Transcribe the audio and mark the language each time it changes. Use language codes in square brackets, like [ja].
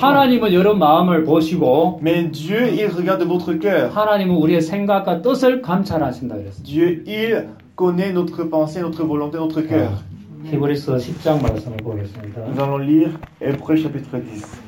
[ko] 하나님은 여러분 마음을 보시고. [fr] Mais Dieu il regarde votre cœur. [ko] 하나님은 우리의 생각과 뜻을 감찰하신다 그랬어. [fr] Dieu il connaît notre pensée, notre volonté, notre cœur. [ko] 히브리서 10장 말씀을 보겠습니다. [fr] Nous allons lire Hébreux chapitre 10.